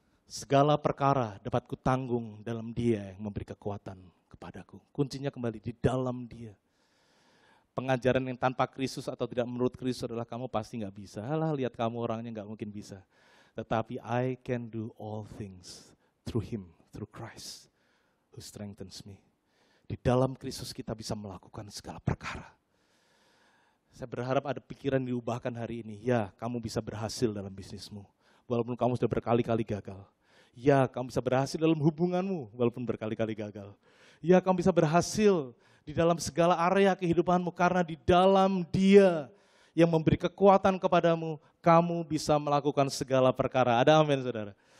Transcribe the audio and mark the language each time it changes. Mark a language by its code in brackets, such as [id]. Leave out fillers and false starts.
[id] Segala perkara dapat kutanggung dalam Dia yang memberi kekuatan kepadaku. Kuncinya kembali di dalam Dia. Pengajaran yang tanpa Kristus atau tidak menurut Kristus adalah kamu pasti enggak bisa. Alah, lihat kamu orangnya enggak mungkin bisa. Tetapi [en] I can do all things through Him, through Christ who strengthens me. [id] Di dalam Kristus kita bisa melakukan segala perkara. Saya berharap ada pikiran diubahkan hari ini. Ya, kamu bisa berhasil dalam bisnismu walaupun kamu sudah berkali-kali gagal. Ya, kamu bisa berhasil dalam hubunganmu walaupun berkali-kali gagal. Ya, kamu bisa berhasil di dalam segala area kehidupanmu, karena di dalam Dia yang memberi kekuatan kepadamu, kamu bisa melakukan segala perkara. Ada amin, saudara.